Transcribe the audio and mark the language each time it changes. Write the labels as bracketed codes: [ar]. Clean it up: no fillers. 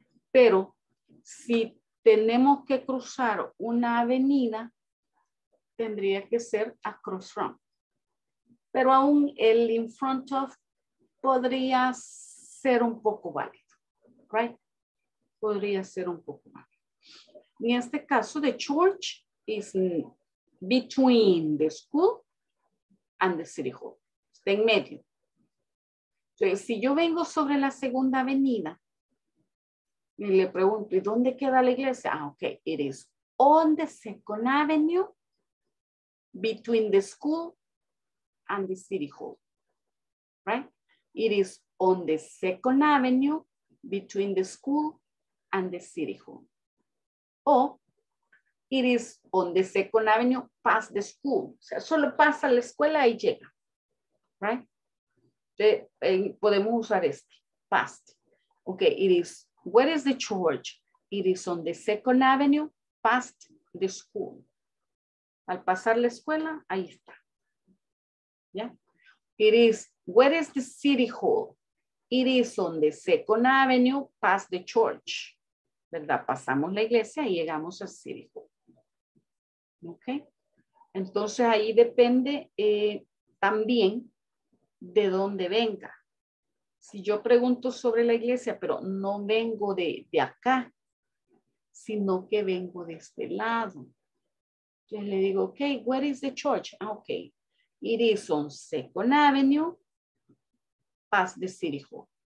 [es] Pero si tenemos que cruzar una avenida, tendría que ser across from. Pero aún el in front of podría ser un poco válido, [en] right? [es] Podría ser un poco válido. En este caso, [en] the church is between the school and the city hall. [es] Está en medio. Entonces, si yo vengo sobre la segunda avenida, y le pregunto, ¿y dónde queda la iglesia? Ah, ok. [en] It is on the Second Avenue between the school and the City Hall, right? It is on the Second Avenue between the school and the City Hall. O it is on the Second Avenue past the school. [es] O sea, solo pasa la escuela y llega, [en] right? [es] Podemos usar este, [en] past. Okay, it is, where is the church? It is on the Second Avenue past the school. [es] Al pasar la escuela, ahí está. Yeah. [en] It is, where is the City Hall? It is on the Second Avenue past the church. [es] ¿Verdad? Pasamos la iglesia y llegamos al City Hall. Ok. Entonces ahí depende también de dónde venga. Si yo pregunto sobre la iglesia, pero no vengo de acá, sino que vengo de este lado. Yo le digo, [en] ok, where is the church? Ah, ok. It is on Second Avenue, past the City Hall.